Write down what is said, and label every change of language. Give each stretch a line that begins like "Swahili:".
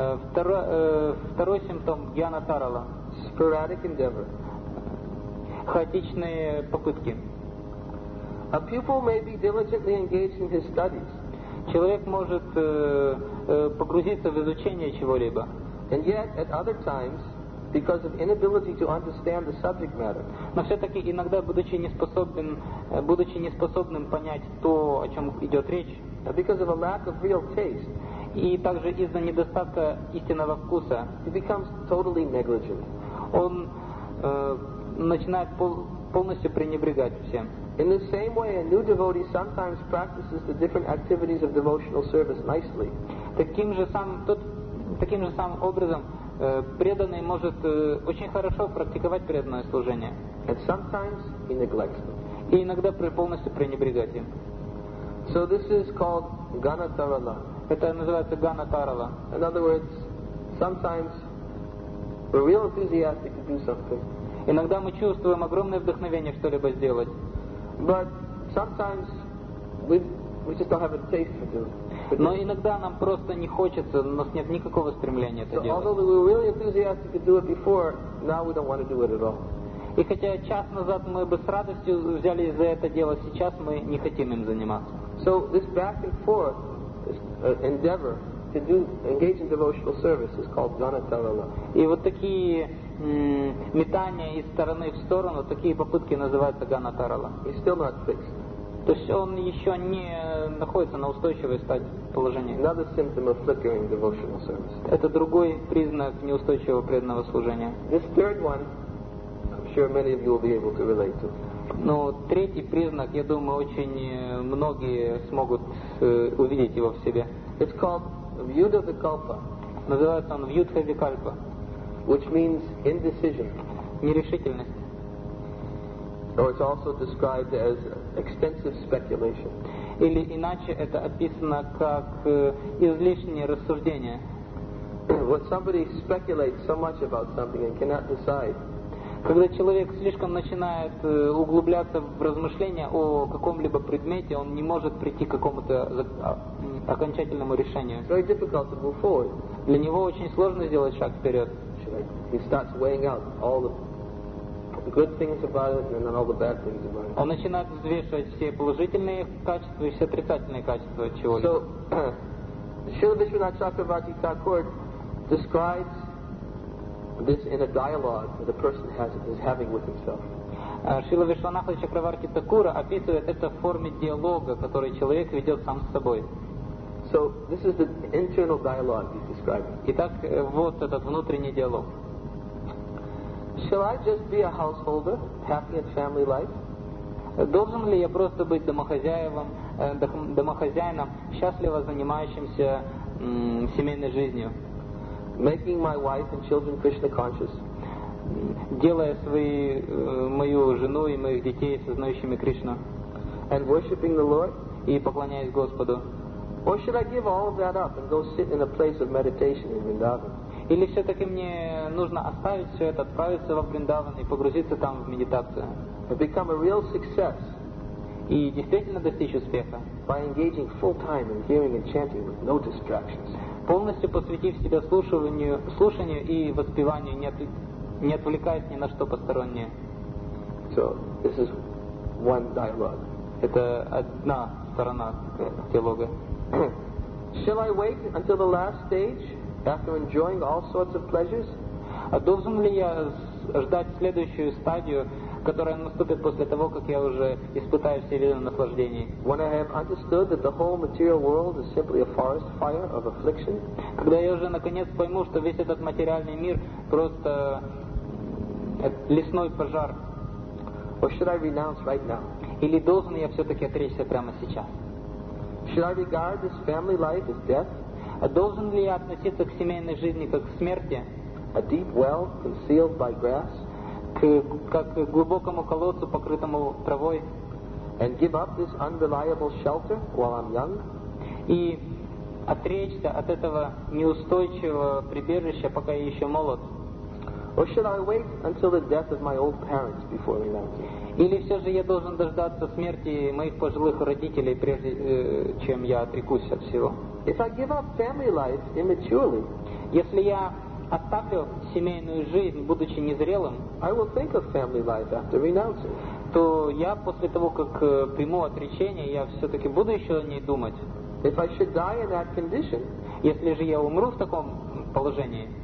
Russian: Второй симптом Гьяна Тарала.
English: Sporadic endeavor.
Russian: Хаотичные попытки.
English: A pupil may be diligently engaged in his studies.
Russian: Человек может погрузиться в изучение чего-либо.
English: And yet, at other times, because of inability to understand the subject matter.
Russian: Но все-таки иногда, будучи неспособным понять то, о чем идет речь,
English: because of a lack of real taste,
Russian: и также из-за недостатка истинного вкуса,
English: he becomes totally negligent.
Russian: Он начинает полностью пренебрегать всем.
English: In the same way, a new devotee sometimes practices the different activities of devotional service nicely.
Russian: Таким же самым образом преданный может очень хорошо практиковать преданное служение.
English: And sometimes he neglects them.
Russian: И иногда полностью пренебрегать им.
English: So this is called ganatarala.
Russian: Это называется ганатарала.
English: In other words, sometimes we're real enthusiastic to do something.
Russian: Иногда мы чувствуем огромное вдохновение что-либо сделать.
English: But sometimes we just don't have a taste for doing.
Russian: Но иногда нам просто не хочется, у нас нет никакого стремления это делать.
English: Although we were really enthusiastic to do it before, now we don't want to do it at all.
Russian: И хотя час назад мы бы с радостью взялись за это дело, сейчас мы не хотим им заниматься.
English: So this back and forth, this endeavor to do engage in devotional service is called ganatarala.
Russian: И вот такие метания из стороны в сторону, такие попытки называются ганатарала.
English: He's still not fixed.
Russian: То есть он еще не находится на устойчивой стадии положения.
English: Another symptom of flickering devotional service.
Russian: Это другой признак неустойчивого преданного служения.
English: This third one, I'm sure many of you will be able to relate to.
Russian: Но третий признак, я думаю, очень многие смогут увидеть его в себе.
English: It's called Vyudhavikalpa.
Russian: Называется он Vyudhavikalpa.
English: Which means indecision.
Russian: Нерешительность.
English: Or it's also described as extensive speculation.
Russian: Или иначе это описано как излишнее рассуждение.
English: When somebody speculates so much about something and cannot decide.
Russian: Когда человек слишком начинает углубляться в размышления о каком-либо предмете, он не может прийти к какому-то окончательному решению.
English: Very difficult to move forward.
Russian: Для него очень сложно сделать шаг вперед.
English: He starts weighing out all the good things about it and then all the bad things about it.
Russian: Он начинает взвешивать все положительные качества и все отрицательные качества чего-либо.
English: So, Śrīla Viśvanātha Cakravarti Thakura describes this in a dialogue that a person is having with himself.
Russian: Śrīla Viśvanātha Cakravarti Thakura описывает это в форме диалога, который человек ведет сам с собой.
English: So, this is the internal dialogue he's describing.
Russian: Итак, вот этот внутренний диалог.
English: Shall I just be a householder, happy in family life?
Russian: Должен ли я просто быть домохозяевом, домохозяином, счастливо занимающимся семейной жизнью?
English: Making my wife and children Krishna conscious.
Russian: Делая мою жену и моих детей сознающими Кришну.
English: And worshipping the Lord.
Russian: И поклоняясь Господу.
English: Or should I give all of that up and go sit in a place of meditation in Vrindavan?
Russian: Или все-таки мне нужно оставить все это, отправиться во Вриндаван и погрузиться там в медитацию?
English: And become a real success.
Russian: И действительно достичь успеха.
English: By engaging full time in hearing and chanting with no distractions.
Russian: Полностью посвятив себя слушанию и воспеванию, не отвлекаясь ни на что постороннее.
English: So, this is one dialogue.
Russian: Это одна сторона диалога.
English: Shall I wait until the last stage? After enjoying all sorts of pleasures,
Russian: должен ли я ждать следующую стадию, которая наступит после того, как я уже испытаю все виды наслаждений?
English: When I have understood that the whole material world is simply a forest fire of affliction,
Russian: когда я уже наконец пойму, что весь этот материальный мир просто лесной пожар,
English: or should I renounce right now?
Russian: Или должен я все-таки отречься прямо сейчас?
English: Should I regard this family life as death?
Russian: А должен ли я относиться к семейной жизни как к смерти?
English: A deep well concealed by grass,
Russian: как к глубокому колодцу, покрытому травой?
English: And give up this unreliable shelter while I'm young?
Russian: И отречься от этого неустойчивого прибежища, пока я еще молод?
English: Or should I wait until the death of my old parents before renouncing?
Russian: Или все же я должен дождаться смерти моих пожилых родителей, прежде чем я отрекусь от всего?
English: If I give up family life immaturely,
Russian: если я оставлю семейную жизнь, будучи незрелым,
English: I will think of family life after renouncing.
Russian: То я после того, как приму отречение, я все-таки буду еще о ней думать.
English: If I should die in that condition,
Russian: если же я умру в таком положении,